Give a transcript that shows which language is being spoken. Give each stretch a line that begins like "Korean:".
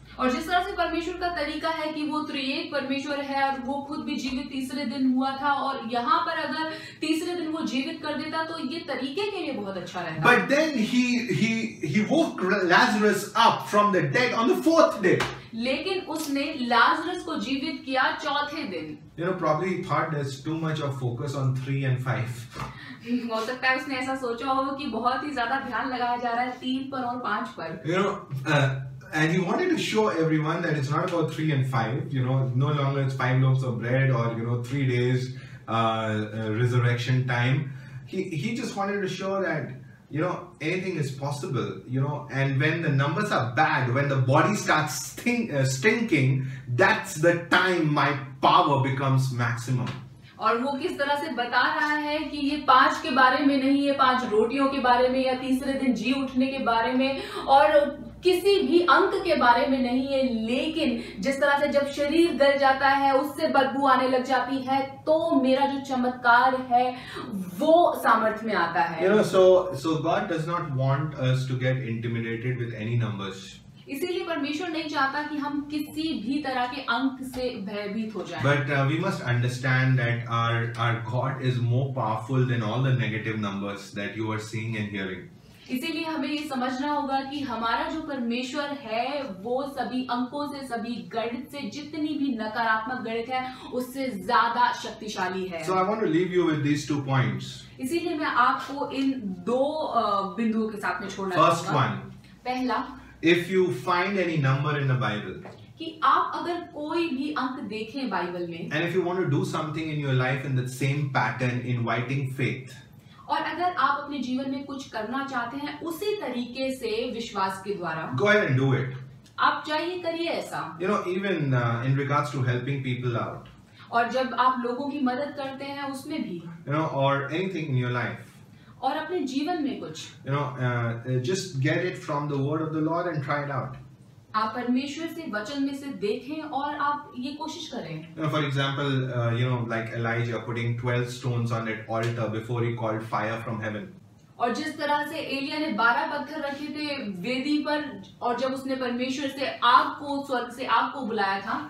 Hindi: और जिस तरह से परमेश्वर का तरीका है कि वो त्रिएक परमेश्वर है और वो खुद भी जीवित 3rd दिन हुआ था, और यहाँ पर अगर 3rd दिन वो जीवित कर देता तो ये तरीके के लिए बहुत अच्छा रहता।
English: But then he woke Lazarus up from the dead on the 4th day.
Hindi: लेकिन उसने लाजरस को जीवित किया 4th दिन।
English: You know, probably he thought there's too much of focus on 3 and 5.
Hindi: हो सकता है उसने ऐसा सोचा हो कि बहुत ही ज्यादा ध्यान लगाया जा रहा है 3 पर और 5 पर।
English: And he wanted to show everyone that it's not about 3 and 5, you know, no longer it's 5 loaves of bread or, you know, 3 days resurrection time. He just wanted to show that, you know, anything is possible, you know, and when the numbers are bad, when the body starts stinking, that's the time my power becomes maximum.
Hindi: और वो किस तरह से बता रहा है कि ये 5 के बारे में नहीं है, 5 रोटियों के बारे में या 3rd दिन जी उठने के बारे में और किसी भी अंक के बारे में नहीं है, लेकिन जिस तरह से जब शरीर गल जाता है उससे बदबू आने लग जाती है तो मेरा जो चमत्कार है वो सामर्थ्य में आता है।
English: You know, so God does not want us to get intimidated with any numbers.
Hindi: इसीलिए परमेश्वर नहीं चाहता कि हम किसी भी तरह के अंक से भयभीत हो जाएं।
English: But we must understand that our God is more powerful than all the negative numbers that you are seeing and hearing.
Hindi: इसीलिए हमें ये समझना होगा कि हमारा जो परमेश्वर है वो सभी अंकों से, सभी गणित से, जितनी भी नकारात्मक गणित है उससे ज्यादा शक्तिशाली है।
English: So I want to leave you with these 2 points.
Hindi: इसीलिए मैं आपको इन 2 बिंदुओं के साथ में छोड़ना चाहूंगा।
English: First one.
Hindi: पहला,
English: If you find any number in the Bible,
Hindi: कि आप अगर कोई भी अंक देखें बाइबल में,
English: and if you want to do something in your life in that same pattern, inviting faith,
Hindi: और अगर आप अपने जीवन में कुछ करना चाहते हैं उसी तरीके से विश्वास के द्वारा,
English: go ahead and do it.
Hindi: आप चाहिए करिए ऐसा।
English: You know, even in regards to helping people out,
Hindi: और जब आप लोगों की मदद करते हैं उसमें भी,
English: you know, or anything in your life,
Hindi: और अपने जीवन में कुछ,
English: you know, just get it from the word of the Lord and try it out.
Hindi: आप परमेश्वर से वचन में से देखें और आप ये कोशिश करें.
English: For example you know like Elijah putting 12 stones on it altar before he called fire from heaven.
Hindi: और जिस तरह से एलिया ने 12 पत्थर रखे थे वेदी पर और जब उसने परमेश्वर से आग को स्वर्ग से आग को बुलाया था.